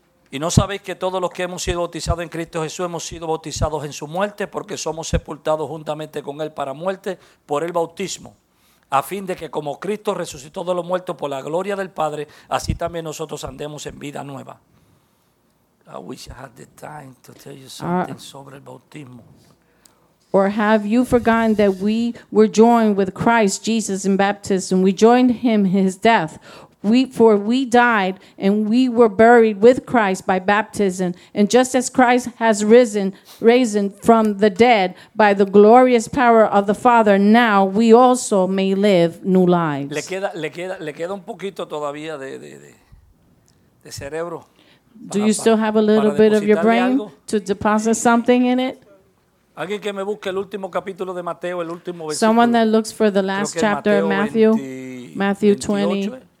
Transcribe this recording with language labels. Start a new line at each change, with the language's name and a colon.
Spanish: Y no sabéis que todos los que hemos sido bautizados en Cristo Jesús hemos sido bautizados en su muerte, porque somos sepultados juntamente con Él para muerte por el bautismo, a fin de que como Cristo resucitó de los muertos por la gloria del Padre, así también nosotros andemos en vida nueva.
English: I wish I had the time to tell you something
Spanish: sobre el bautismo.
English: Or have you forgotten that we were joined with Christ Jesus in baptism? We joined him in his death. For we died and we were buried with Christ by baptism. And just as Christ has risen from the dead by the glorious power of the Father, now we also may live new lives.
Spanish: Le queda un poquito todavía de cerebro.
English: Do you still have a little bit of your brain to deposit something in it?
Spanish: Alguien que me busque el último capítulo de Mateo, el último versículo.
English: Someone that looks for the last chapter of Matthew, Matthew 20.